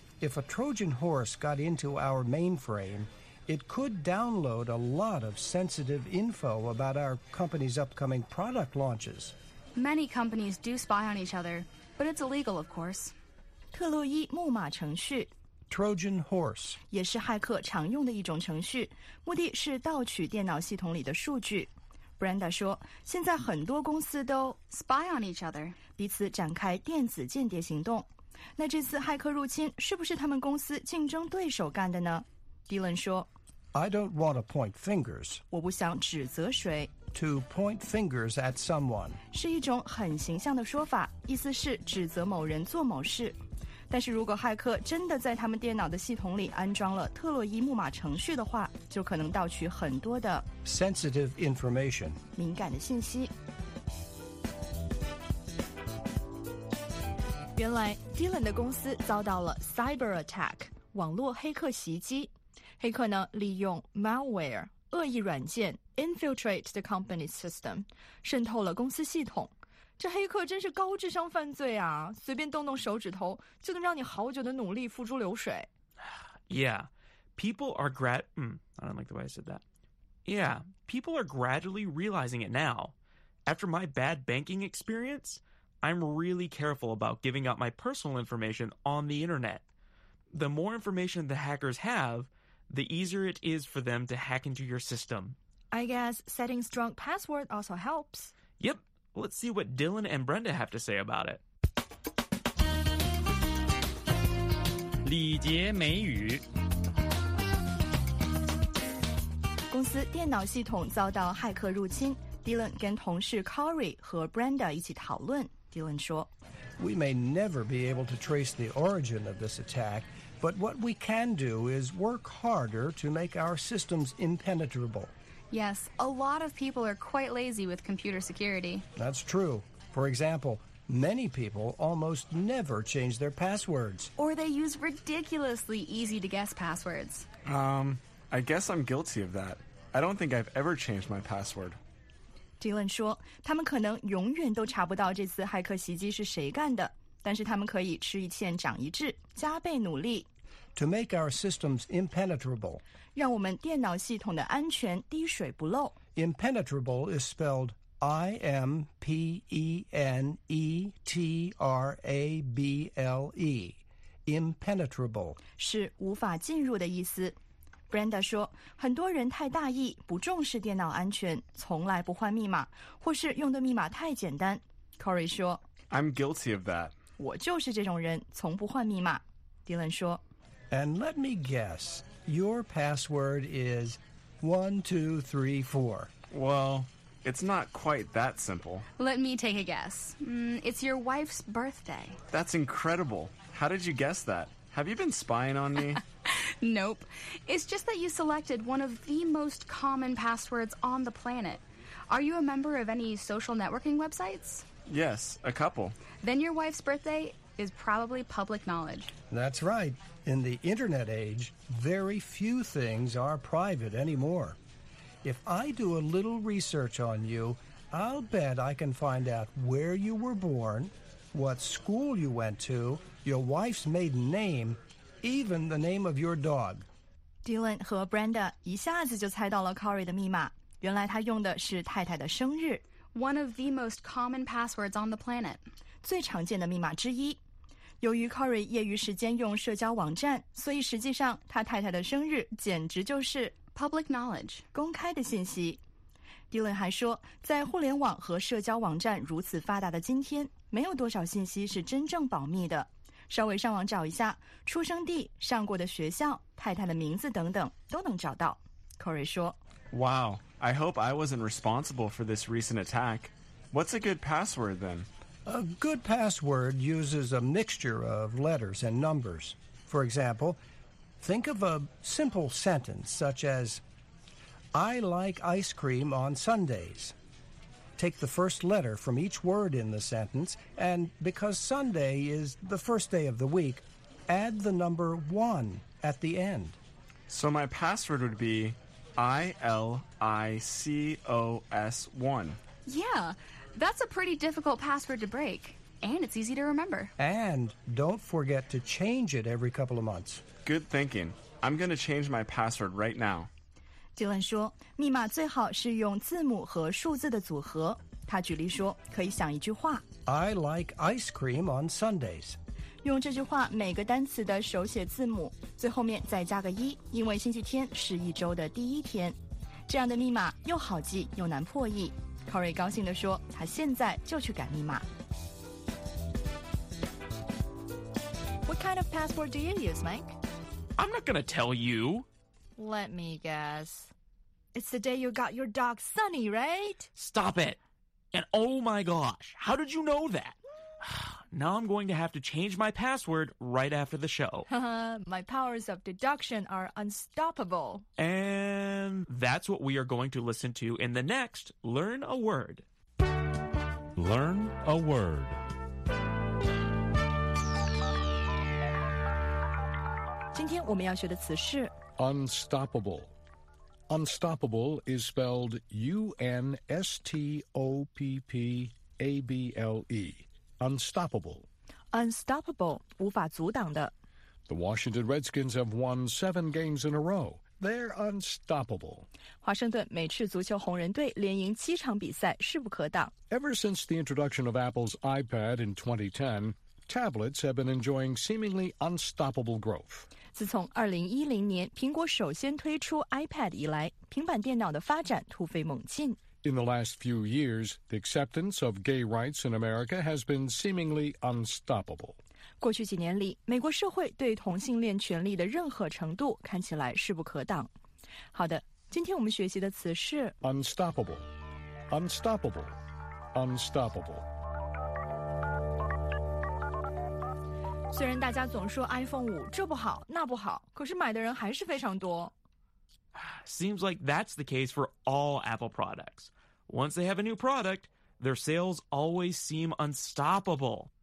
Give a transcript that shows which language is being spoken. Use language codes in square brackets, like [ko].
[en] If a Trojan horse got into our mainframe, it could download a lot of sensitive info about our company's upcoming product launches. Many companies do spy on each other, but it's illegal, of course. [zh] 特洛伊木马程序 [en] Trojan horse [zh] 也是骇客常用的一种程序，目的是盗取电脑系统里的数据。 Brenda 说，现在很多公司都 [en] spy on each other, [zh] 彼此展开电子间谍行动。那这次骇客入侵是不是他们公司竞争对手干的呢？ Dylan 说 [en] I don't want to point fingers. [zh] 我不想指责谁。 [en] To point fingers at someone [zh] 是一种很形象的说法，意思是指责某人做某事。但是如果骇客真的在他们电脑的系统里安装了特洛伊木马程序的话，就可能盗取很多的 [en] sensitive information [zh] 敏感的信息。原来 Dylan 的公司遭到了 [en] cyber attack [zh] 网络黑客袭击，黑客呢利用 [en] malware [zh] 恶意软件 [en] infiltrate the company's system [zh] 渗透了公司系统。这黑客真是高智商犯罪啊，随便动动手指头就能让你好久的努力付诸流水。 [en] People are gradually realizing it now. After my bad banking experience,I'm really careful about giving out my personal information on the internet. The more information the hackers have, the easier it is for them to hack into your system. I guess setting strong password also helps. Yep. Let's see what Dylan and Brenda have to say about it. [zh] 礼节美语。公司电脑系统遭到骇客入侵， Dylan 跟同事 Corey 和 Brenda 一起讨论。 Dylan 说 [en] We may never be able to trace the origin of this attack, but what we can do is work harder to make our systems impenetrable. Yes, a lot of people are quite lazy with computer security. That's true. For example, many people almost never change their passwords. Or they use ridiculously easy-to-guess passwords. I guess I'm guilty of that. I don't think I've ever changed my password. [zh] Dylan 说，他们可能永远都查不到这次骇客袭击是谁干的，但是他们可以吃一堑长一智，加倍努力。 [en] To make our systems impenetrable. [zh] 让我们电脑系统的安全滴水不漏。 [en] Impenetrable is spelled I-M-P-E-N-E-T-R-A-B-L-E. Impenetrable. [zh] 是无法进入的意思。 Brenda 说，很多人太大意，不重视电脑安全，从来不换密码，或是用的密码太简单。 Corey 说 [en] I'm guilty of that. [zh] 我就是这种人，从不换密码。 Dylan 说 [en] And let me guess, your password is 1234. Well, it's not quite that simple. Let me take a guess. It's your wife's birthday. That's incredible. How did you guess that? Have you been spying on me? Nope. It's just that you selected one of the most common passwords on the planet. Are you a member of any social networking websites? Yes, a couple. Then your wife's birthday is probably public knowledge. That's right. In the internet age, very few things are private anymore. If I do a little research on you, I'll bet I can find out where you were born, what school you went to, your wife's maiden name, even the name of your dog. [zh] Dylan 和 Brenda 一下子就猜到了 Corey 的密码，原来他用的是太太的生日。 [en] One of the most common passwords on the planet. [zh] 最常见的密码之一。由于 Corey 业余时间用社交网站，所以实际上他太太的生日简直就是 [en] public knowledge, [zh] 公开的信息。 Dylan 还说，在互联网和社交网站如此发达的今天，没有多少信息是真正保密的。稍微上网找一下，出生地、上过的学校、太太的名字等等，都能找到。 Corey 说 [en] ，Wow, I hope I wasn't responsible for this recent attack. What's a good password then? A good password uses a mixture of letters and numbers. For example, think of a simple sentence such as. I like ice cream on Sundays. Take the first letter from each word in the sentence, and because Sunday is the first day of the week, add the number one at the end. So my password would be ILICOS1. Yeah, that's a pretty difficult password to break, and it's easy to remember. And don't forget to change it every couple of months. Good thinking. I'm going to change my password right now. [zh] Dylan 说，密码最好是用字母和数字的组合。他举例说，可以想一句话 [en] ：I like ice cream on Sundays。 [zh] 用这句话每个单词的手写字母，最后面再加个一，因为星期天是一周的第一天。这样的密码又好记又难破译。Corey 高兴地说，他现在就去改密码。 [en] What kind of password do you use, Mike? I'm not going to tell you. Let me guess. It's the day you got your dog Sunny, right? Stop it. And oh my gosh, how did you know that? Now I'm going to have to change my password right after the show. My powers of deduction are unstoppable. And that's what we are going to listen to in the next Learn a Word. Learn a Word. [zh] 今天我们要学的词是 [en] unstoppable. Unstoppable is spelled U-N-S-T-O-P-P-A-B-L-E. Unstoppable. Unstoppable, [zh] 无法阻挡的。 [en] The Washington Redskins have won 7 games in a row. They're unstoppable. [zh] 华盛顿美式足球红人队连赢七场比赛势不可挡。 [en] Ever since the introduction of Apple's iPad in 2010, tablets have been enjoying seemingly unstoppable growth. [zh] 自从2010年苹果首先推出 iPad 以来，平板电脑的发展突飞猛进。 [en] In the last few years, the acceptance of gay rights in America has been seemingly unstoppable. [zh] 过去几年里，美国社会对同性恋权利的任何程度看起来势不可挡。好的，今天我们学习的词是 [en] unstoppable, unstoppable, unstoppable. [zh] 虽然大家总说 iPhone 5这不好那不好，可是买的人还是非常多。 [en] Seems like that's the case for all Apple products. Once they have a new product, their sales always seem unstoppable.